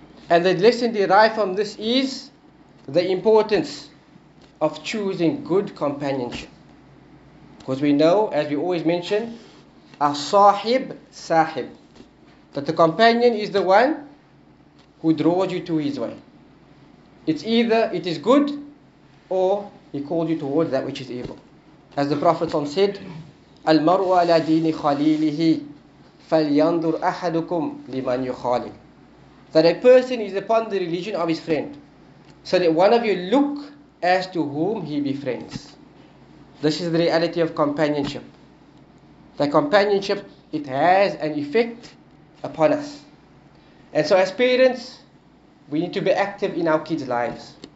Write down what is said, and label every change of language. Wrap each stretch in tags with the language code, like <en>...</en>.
<en>And the lesson derived from this is the importance of choosing good companionship. Because we know, as we always mention,</en> <ar>أَصَاحِبْ</ar> <en>sahib, that the companion is the one who draws you to his way. It's either it is good, or he called you towards that which is evil. As the Prophet said,</en> <ar>المرو على دين خليله فلينظر أحدكم لمن يخالي.</ar> <en>That a person is upon the religion of his friend, so that one of you look as to whom he befriends. This is the reality of companionship. The companionship, it has an effect upon us. And so as parents, we need to be active in our kids' lives.</en>